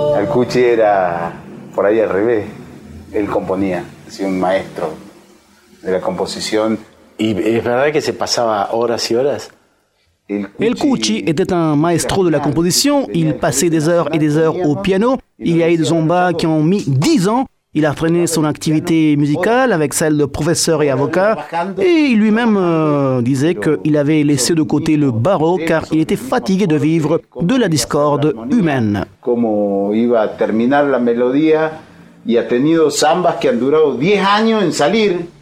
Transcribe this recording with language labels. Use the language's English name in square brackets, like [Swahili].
[Spanish] Cuchi era por ahí al revés, él componía, así un maestro de la composición. ¿Y es verdad que se pasaba horas y horas? [French] El Cuchi était [Spanish] un maestro de la composición, [French] il passait des heures et des heures au piano. Il y a eu des zombas qui ont mis 10 ans. Il a freiné son activité musicale avec celle de professeur et avocat. Et il lui-même disait qu'il avait laissé de côté le barreau car il était fatigué de vivre de la discorde humaine. [Spanish] Comment iba a terminar la melodía y ha tenido zambas que han durado 10 años en salir.